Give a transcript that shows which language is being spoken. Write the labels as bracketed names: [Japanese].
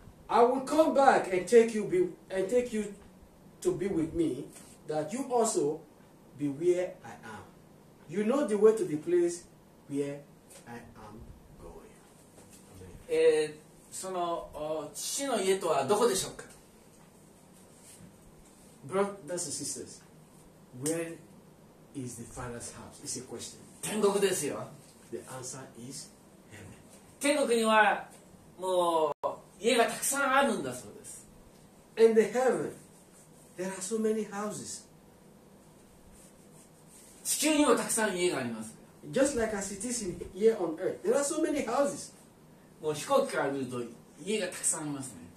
[English] I will come back and take you to be with me, that you also be where I am. You know the way to the place where I am going. [Japanese] その父の家とはどこでしょうか? [English] Brothers and sisters, where is the Father's house? It's a question. [Japanese] 天国ですよ。 [English] The answer is heaven. [Japanese] 天国にはもう家がたくさんあるんだそうです。 [English] In the heaven, there are so many houses. [Japanese] 地球にもたくさん家があります。 [English] Just like as it is here on earth, there are so many houses. [Japanese] もう飛行機から見ると家がたくさんありますね。